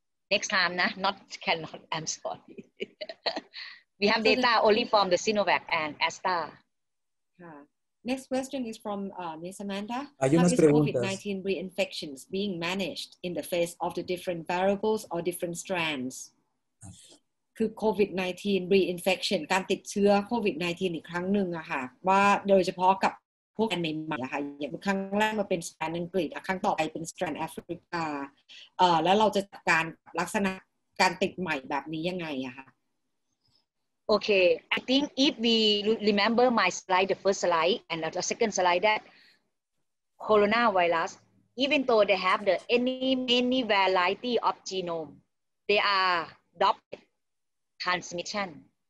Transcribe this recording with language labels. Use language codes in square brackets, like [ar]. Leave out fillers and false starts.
[en] Next time, nah, not cannot, I'm sorry. We have data only from the Sinovac and Astra. Next question is from Ms. Amanda. How is COVID-19 reinfections being managed in the face of the different variables or different strands? [th] คือ COVID-19 reinfection การติดเชื้อ COVID-19 อีกครั้งหนึ่งอะค่ะว่าโดยเฉพาะกับพวกแอนใหม่ๆอะค่ะอย่างครั้งแรกมาเป็นสแตรนด์อังกฤษครั้งต่อไปเป็นสแตรนด์แอฟริกาแล้วเราจะจัดการลักษณะการติดใหม่แบบนี้ยังไงอะค่ะ [en] Okay, I think if we remember my slide, the first slide and the second slide, that coronavirus, even though they have the many variety of genome, they are doublet transmission.